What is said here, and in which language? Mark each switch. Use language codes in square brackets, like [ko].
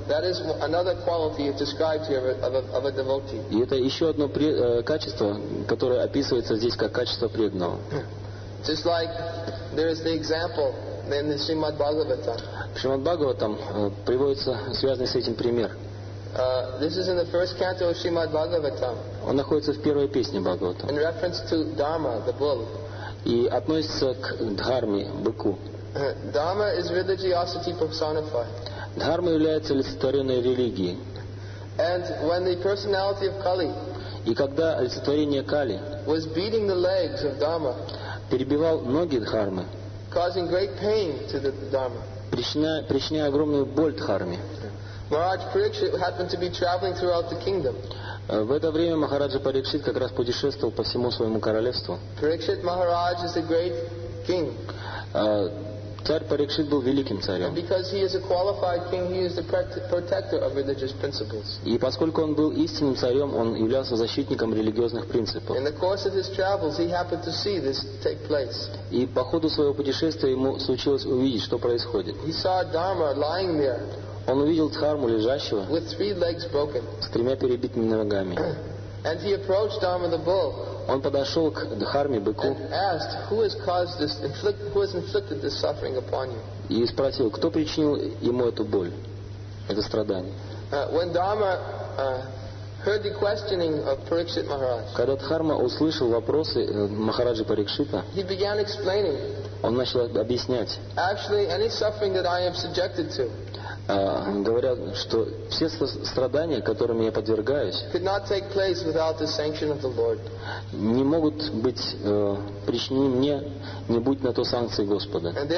[en] That is another quality described here of a devotee. [ru] И это еще одно качество, которое описывается здесь как качество преданного. [en] Just like there is the example. Then the Srimad Bhagavatam. [ru] Srimad Bhagavatam приводится связанный с этим пример. [en] This is in the first canto of Srimad Bhagavatam. [ru] Он находится в первой песне Бхагаватам. [en] In reference to Dharma, the bull. [ru] И относится к дхарме, быку. [en] Dharma is religiosity personified. [ru] Дхарма является олицетворенной религией. [en] And when the personality of Kali. [ru] И когда олицетворение Кали. [en] Was beating the legs of Dharma. [ru] Перебивал ноги дхармы. [en] Causing great pain to the Dharma. [ru] Причиняя огромную боль Дхарме. [en] Maharaj Parikshit happened to be traveling throughout the kingdom. [ru] В это время Махараджа Парикшит как раз путешествовал по всему своему королевству. [en] Parikshit Maharaj is a great king. [ru] Царь Парикшит был великим царем. [en] And because he is a qualified king, he is the protector of religious principles. [ru] И поскольку он был истинным царем, он являлся защитником религиозных принципов. [en] In the course of his travels, he happened to see this take place. [ru] И по ходу своего путешествия ему случилось увидеть, что происходит. [en] He saw Dharma lying there. [ru] Он увидел Дхарму лежащего. [en] With three legs broken. [ru] С тремя перебитыми ногами. [en] And he approached Dharma the bull. [ru] Он подошел к Дхарме, быку, и спросил, кто причинил ему эту боль, это страдание. [en] When Dharma, heard the questioning of Parikshit Maharaj, [ru] когда Дхарма услышал вопросы Махараджи Парикшита, [en] he began explaining, [ru] он начал объяснять. [en] Actually, any suffering that I am subjected to, [ru] говоря, что все страдания, которыми я подвергаюсь, не могут быть причинены мне, не будь на то санкции Господа.